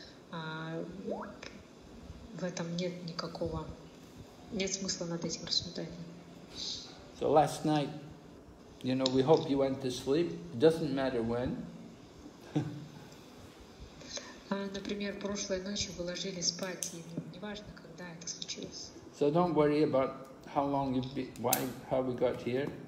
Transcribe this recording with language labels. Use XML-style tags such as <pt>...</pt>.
<ru>В этом нет никакого, нет смысла над этим рассуждать.</ru> <en>So last night, you know, we hope you went to sleep. It doesn't matter when.</en> <ru>Например, прошлой ночью вы ложились спать, и неважно, как.</ru> <en>So don't worry about how long you've been, why, how we got here.</en>